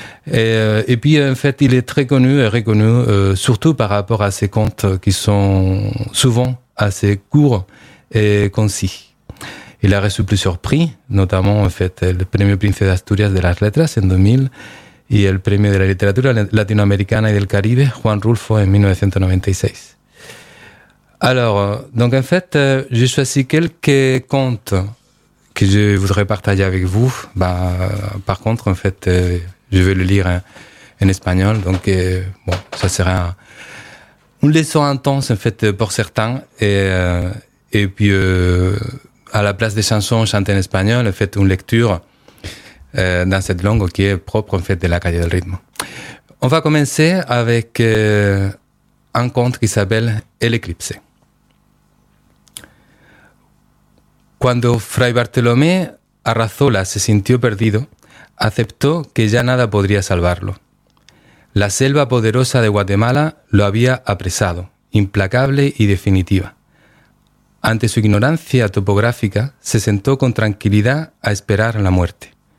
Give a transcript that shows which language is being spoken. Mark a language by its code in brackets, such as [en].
[fr] Et puis en fait, il est très connu et reconnu surtout par rapport à ses contes qui sont souvent assez courts et concis. Il a reçu plusieurs prix, notamment en fait le Premio Príncipe de Asturias de las Letras en 2000. [es] Y el premio de la literatura latinoamericana y del Caribe, Juan Rulfo, en 1996. [fr] Alors, donc en fait, j'ai choisi quelques contes que je voudrais partager avec vous. Bah, par contre, en fait, je vais le lire en espagnol. Donc, bon, ça sera une leçon intense, en fait, pour certains. Et puis, à la place des chansons chantées en espagnol, en fait, une lecture dans cette langue qui est propre en fait de la Calle del Ritmo. On va commencer avec un conte qui s'appelle El Eclipse. [es] Cuando Fray Bartolomé Arrazola se sintió perdido, aceptó que ya nada podría salvarlo. La selva poderosa de Guatemala lo había apresado, implacable y definitiva. Ante su ignorancia topográfica, se sentó con tranquilidad a esperar la muerte.